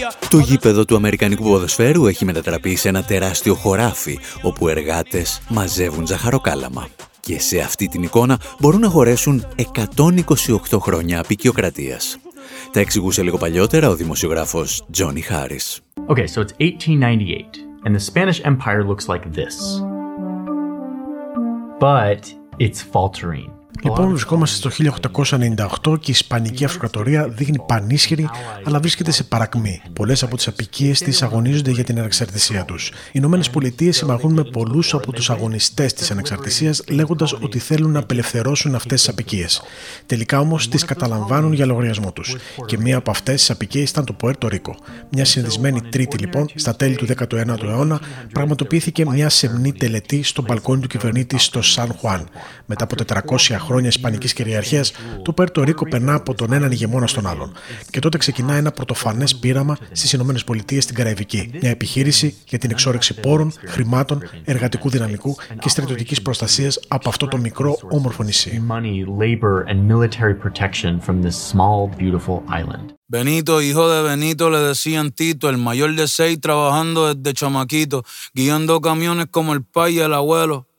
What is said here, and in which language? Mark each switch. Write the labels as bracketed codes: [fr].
[el] Το γήπεδο του Αμερικανικού Ποδοσφαίρου έχει μετατραπεί σε ένα τεράστιο χωράφι, όπου εργάτες μαζεύουν ζαχαροκάλαμα. Και σε αυτή την εικόνα μπορούν να χωρέσουν 128 χρόνια αποικιοκρατίας. Τα εξηγούσε λίγο παλιότερα ο δημοσιογράφος Τζόνι Χάρις. [en] Okay, so it's 1898, and the Spanish Empire looks like this. But... It's faltering. [el] Λοιπόν, βρισκόμαστε στο 1898 και η Ισπανική Αυτοκρατορία δείχνει πανίσχυρη, αλλά βρίσκεται σε παρακμή. Πολλές από τις αποικίες της αγωνίζονται για την ανεξαρτησία τους. Οι Ηνωμένες Πολιτείες συμμαχούν με πολλούς από τους αγωνιστές της ανεξαρτησίας, λέγοντας ότι θέλουν να απελευθερώσουν αυτές τις αποικίες. Τελικά όμως τις καταλαμβάνουν για λογαριασμό τους. Και μία από αυτές τις αποικίες ήταν το Πουέρτο Ρίκο. Μια συνδυσμένη τρίτη, λοιπόν, στα τέλη του 19ου αιώνα, πραγματοποιήθηκε μια σεμνή τελετή στο μπαλκόνι του κυβερνήτη στο Σαν Χουάν. Μετά από 400 χρόνια ισπανικής κυριαρχίας, το Πέρτο Ρίκο περνά από τον έναν ηγεμόνα στον άλλον. Και τότε ξεκινά ένα πρωτοφανές πείραμα στις Ηνωμένες Πολιτείες στην Καραϊβική. Μια επιχείρηση για την εξόρυξη πόρων, χρημάτων, εργατικού δυναμικού και στρατιωτικής προστασίας από αυτό το μικρό όμορφο νησί. [en] Money, labor and military protection from this small, beautiful island. [es] Benito, hijo de Benito, le decían Tito, el mayor de seis trabajando desde chamaquito, guiando camiones como el pai y el abuelo.